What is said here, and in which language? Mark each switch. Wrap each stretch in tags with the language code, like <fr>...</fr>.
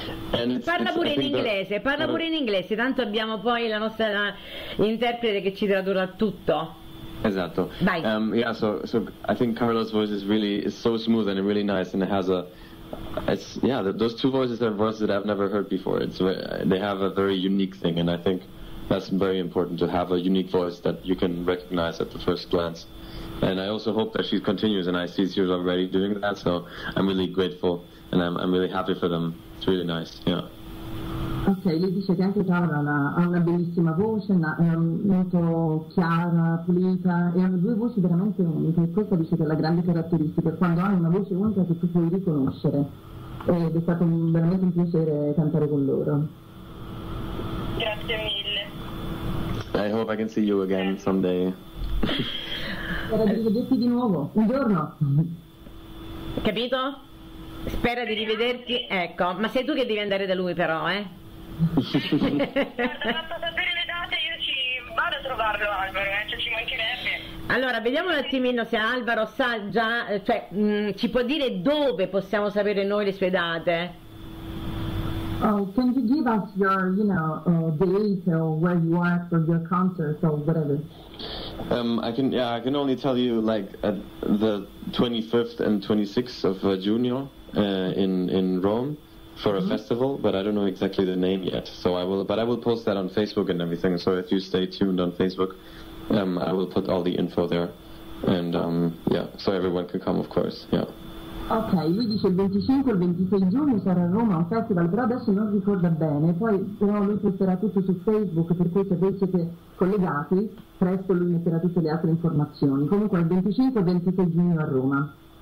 <it>Parla pure in inglese, tanto abbiamo poi la nostra interprete che ci tradurrà tutto. Esatto. Vai.</it> <en>So I think Carla's voice is so smooth and really nice, and it has those two voices are voices that I've never heard before. They have a very unique thing, and I think that's very important to have a unique voice that you can recognize at the first glance. And I also hope that she continues, and I see she's already doing that, so I'm really grateful and I'm really happy for them. It's really nice, yeah.</en> <it>Ok, lei dice che anche Carla ha una bellissima voce, è molto chiara, pulita, e hanno due voci veramente uniche, e questa dice che è la grande caratteristica, quando hai una voce unica che tu puoi riconoscere, ed è stato veramente un piacere cantare con loro. Grazie mille.</it> <en>I hope I can see you again someday.</en> <it>Spero di vederti di nuovo, un giorno. Capito? Spera di rivederti, ecco, ma sei tu che devi andare da lui però, Guarda, fatto sapere le date, io ci vado a trovarlo, Alvaro, ci mancherebbe. Allora, vediamo un attimino se Alvaro sa già, cioè, ci può dire dove possiamo sapere noi le sue date.</it> <en>Oh, can you give us your, you know, date or where you are for your concert or whatever? I can only tell you like at the 25th and 26th of June in Rome for a mm-hmm. festival, but I don't know exactly the name yet. So I will post that on Facebook and everything. So if you stay tuned on Facebook, I will put all the info there, and so everyone can come, of course, yeah.</en> <it>Ok, lui dice il 25 e il 26 giugno sarà a Roma un festival, però adesso non ricorda bene, però lui posterà tutto su Facebook, per cui se voi siete collegati, presto lui metterà tutte le altre informazioni. Comunque il 25 e il 26 giugno a Roma.</it>